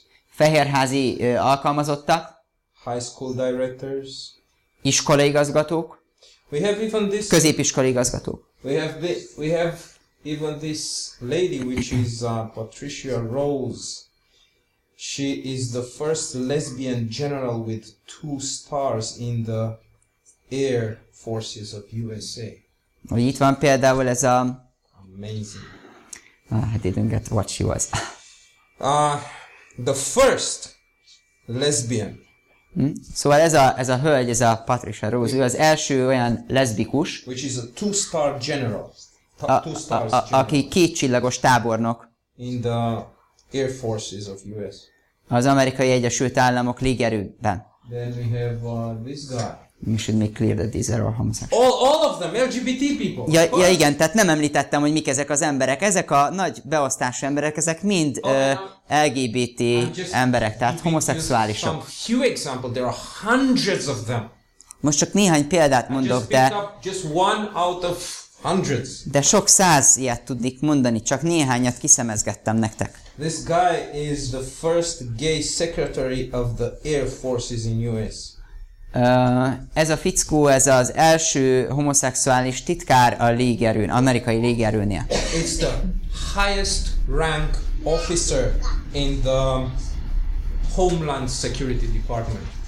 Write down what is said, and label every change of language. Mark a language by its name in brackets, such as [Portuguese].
[Hungarian] Fehérházi alkalmazottak. [English] High school directors. [Hungarian] Iskolaigazgatók. [English] We have even this. [Hungarian] Középiskolaigazgatók. [English] We have even this lady, which is Patricia Rose. She is the first lesbian general with 2 stars in the Air Forces of USA. [Hungarian] Hogy itt van például ez a... [English] Amazing. I didn't get what she was. The first lesbian. [Hungarian] Szóval ez a hölgy, ez a Patricia Rose, ő az első olyan leszbikus. [English] Which is a 2-star general. [Hungarian] Aki 2 csillagos tábornok. [English] In the Air Forces of US. [Hungarian] Az Amerikai Egyesült Államok légierőben. [English] Then we have this guy. You should make clear that these are all homosexuals. All of them, LGBT people. [Hungarian] Ja, igen, tehát nem említettem, hogy mik ezek az emberek. Ezek a nagy beosztású emberek, ezek mind LGBT emberek, tehát homoszexuálisok. [English] Few example, there are hundreds of them. [Hungarian] Most csak néhány példát mondok, [English] just one out of hundreds. [Hungarian] De sok száz ilyet tudnék mondani, csak néhányat kiszemezgettem nektek. [English] This guy is the first gay secretary of the Air Forces in US. [Hungarian] Ez a fickó, ez az első homoszexuális titkár a légierőn, amerikai légierőnél. [English] It's the highest rank officer in the Homeland Security Department.